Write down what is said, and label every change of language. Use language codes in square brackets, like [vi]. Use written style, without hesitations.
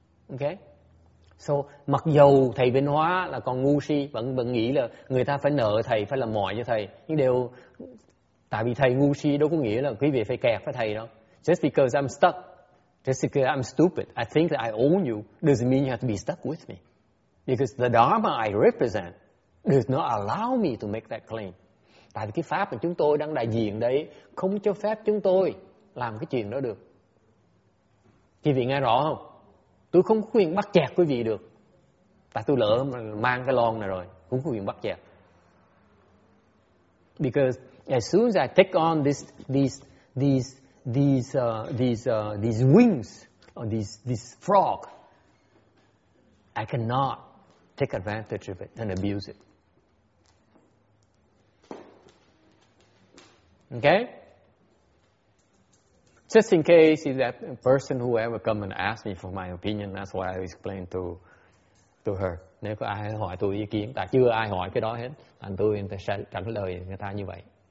[vi] Okay. So, mặc dù thầy Vĩnh Hóa là còn ngu si, vẫn nghĩ là người ta phải nợ thầy, phải làm mọi cho thầy. Nhưng đều, tại vì thầy ngu si đâu có nghĩa là quý vị phải kẹt với thầy đâu. [en] Just because I'm stuck, just because I'm stupid, I think that I own you, doesn't mean you have to be stuck with me. Because the dharma I represent does not allow me to make that claim. [vi] Tại vì cái pháp mà chúng tôi đang đại diện đấy không cho phép chúng tôi làm cái chuyện đó được. Quý vị nghe rõ không? Tôi không có quyền bắt chẹt quý vị được. Tại tôi lỡ mang cái lon này rồi, không có quyền bắt chẹt. [en] Because as soon as I take on these wings or this frog, I cannot take advantage of it and abuse it. Okay? Just in case is that person who ever come and ask me for my opinion, that's what I explain to her. [vi] Nếu có ai hỏi tôi ý kiến, tại chưa ai hỏi cái đó hết, thì tôi sẽ trả lời người ta như vậy.